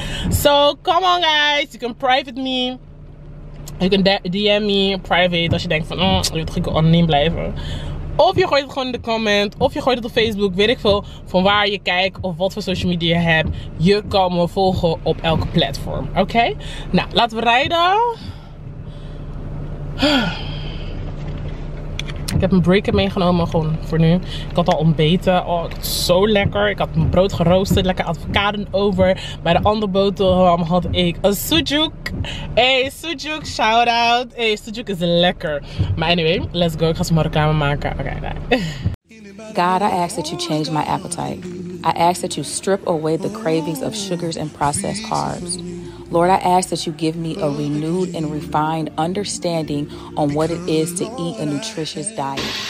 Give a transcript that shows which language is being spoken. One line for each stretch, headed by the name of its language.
English: So, come on guys, you can private me. You can DM me private
Dutch: als je denkt van, ik wil anoniem blijven. Of je gooit het gewoon in de comment, of je gooit het op Facebook, weet ik veel. Van waar je kijkt of wat voor social media je hebt. Je kan me volgen op elke platform, oké? Nou, laten we rijden. Ik heb een breaker meegenomen, gewoon voor nu. Ik had al ontbeten. Oh, ik had zo lekker. Ik had mijn brood geroosterd, lekker avocado over. Bij de andere boterham had ik een sujuk. Hey, sujuk,
English: shout out.
Dutch: Hey, sujuk is lekker. Maar anyway,
English: let's go.
Dutch: Ik ga ze maar elkaar maken.
English: Okay, bye. God, I ask that you change my appetite. I ask that you strip away the cravings of sugars and processed carbs. Lord, I ask that you give me a renewed and refined understanding on what it is to eat a nutritious diet.